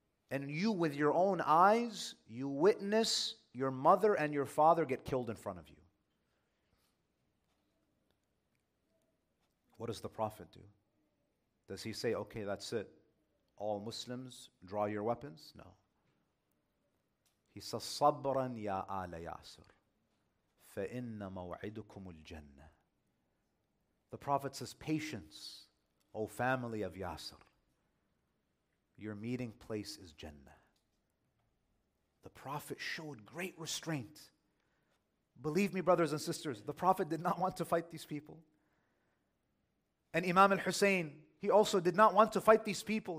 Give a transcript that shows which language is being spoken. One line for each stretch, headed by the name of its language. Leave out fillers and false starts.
English: And you, with your own eyes, you witness your mother and your father get killed in front of you. What does the Prophet do? Does he say, okay, that's it, all Muslims, draw your weapons? No. He says,
Arabic: صَبْرًا يَا آلَ يَاسِرٍ فَإِنَّ مَوْعِدُكُمُ الْجَنَّةِ.
English: The Prophet says, patience, O family of Yasir. Your meeting place is Jannah. The Prophet showed great restraint. Believe me, brothers and sisters, the Prophet did not want to fight these people. And Imam al-Hussein, he also did not want to fight these people.